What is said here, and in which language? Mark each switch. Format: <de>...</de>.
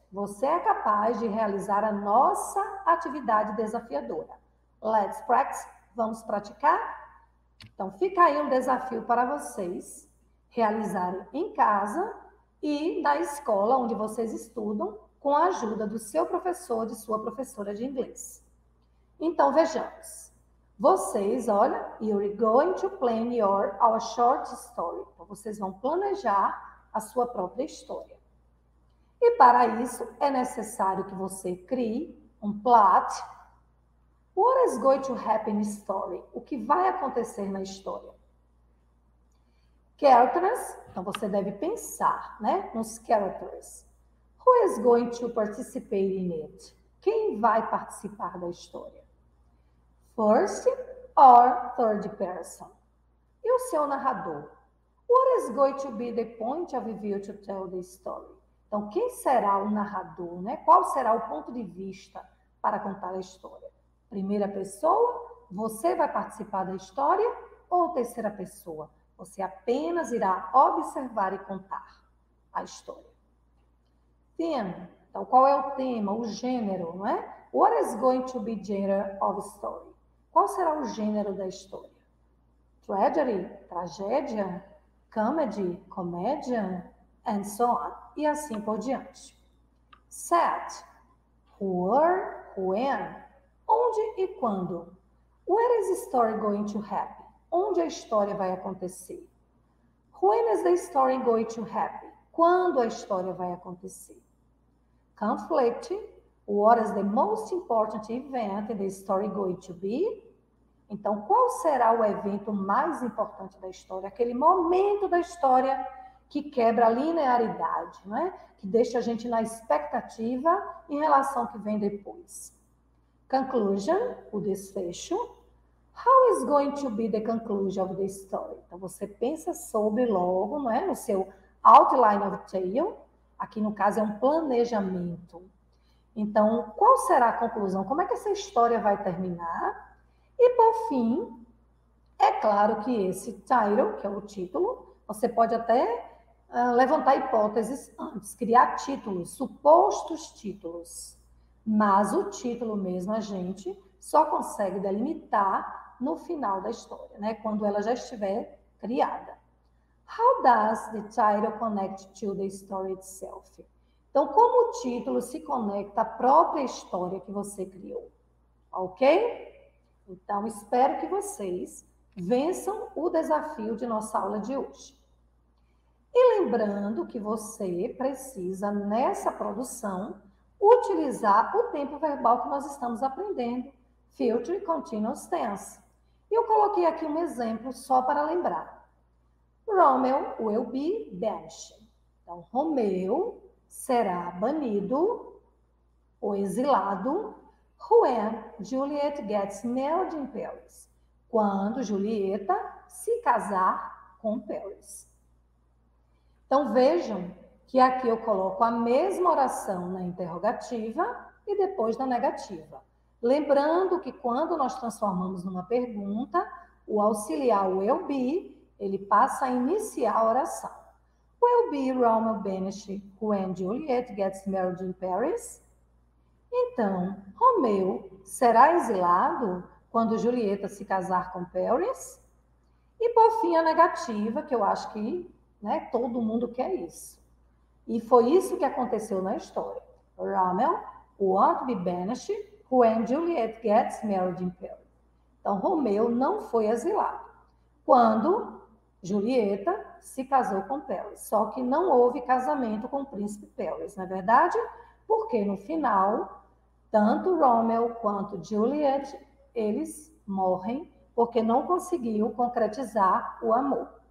<pt>Você é capaz de realizar a nossa atividade desafiadora.</pt> <en>Let's practice.</en> <pt>Vamos praticar? Então fica aí um desafio para vocês realizarem em casa e da escola onde vocês estudam, com a ajuda do seu professor, de sua professora de inglês. Então, vejamos. Vocês, olha,</pt> <en>you're going to plan our short story.</en> <pt>Então, vocês vão planejar a sua própria história. E para isso, é necessário que você crie um plot.</pt> <en>What is going to happen in story?</en> <pt>O que vai acontecer na história? Characters, então você deve pensar, né, nos characters.</pt> <en>Who is going to participate in it?</en> <pt>Quem vai participar da história?</pt> <en>First or third person?</en> <pt>E o seu narrador?</pt> <en>What is going to be the point of view to tell the story?</en> <pt>Então, quem será o narrador, né? Qual será o ponto de vista para contar a história? Primeira pessoa, você vai participar da história? Ou terceira pessoa, você apenas irá observar e contar a história? Tema. Então, qual é o tema, o gênero, não é?</pt> <en>What is going to be gender of story?</en> <pt>Qual será o gênero da história? Tragedy, tragédia, comedy, comédia,</pt> <en>and so on.</en> <pt>E assim por diante. Set.</pt> <en>Who are, when?</en> <pt>Onde e quando?</pt> <en>Where is the story going to happen?</en> <pt>Onde a história vai acontecer?</pt> <en>When is the story going to happen?</en> <pt>Quando a história vai acontecer?</pt> <en>Conflict, what is the most important event in the story going to be?</en> <pt>Então, qual será o evento mais importante da história? Aquele momento da história que quebra a linearidade, né? Que deixa a gente na expectativa em relação ao que vem depois. Conclusion, o desfecho.</pt> <en>How is going to be the conclusion of the story?</en> <pt>Então, você pensa sobre logo, não é? No seu</pt> <en>outline of tale.</en> <pt>Aqui no caso é um planejamento. Então, qual será a conclusão? Como é que essa história vai terminar? E por fim, é claro que esse title, que é o título, você pode até levantar hipóteses antes, criar títulos, supostos títulos. Mas o título mesmo a gente só consegue delimitar no final da história, né? Quando ela já estiver criada.</pt> <en>How does the title connect to the story itself?</en> <pt>Então, como o título se conecta à própria história que você criou? Ok? Então, espero que vocês vençam o desafio de nossa aula de hoje. E lembrando que você precisa, nessa produção, utilizar o tempo verbal que nós estamos aprendendo, future continuous tense. E eu coloquei aqui um exemplo só para lembrar.</pt> <en>Romeo will be banished.</en> <pt>Então, Romeo será banido ou exilado</pt> <en>when Juliet gets married in Paris.</en> <pt>Quando Julieta se casar com Paris. Então, vejam que aqui eu coloco a mesma oração na interrogativa e depois na negativa. Lembrando que quando nós transformamos numa pergunta, o auxiliar will be, ele passa a iniciar a oração.</pt> <en>Will be Romeo banished when Juliet gets married in Paris?</en> <pt>Então, Romeo será exilado quando Julieta se casar com Paris? E por fim, a negativa, que eu acho que, né, todo mundo quer isso. E foi isso que aconteceu na história.</pt> <en>Romeo won't be banished when Juliet gets married in Paris.</en> <pt>Então, Romeo não foi exilado quando Julieta se casou com Paris. Só que não houve casamento com o príncipe Paris, não é verdade? Porque no final, tanto Romeo quanto Juliet, eles morrem porque não conseguiam concretizar o amor.</pt>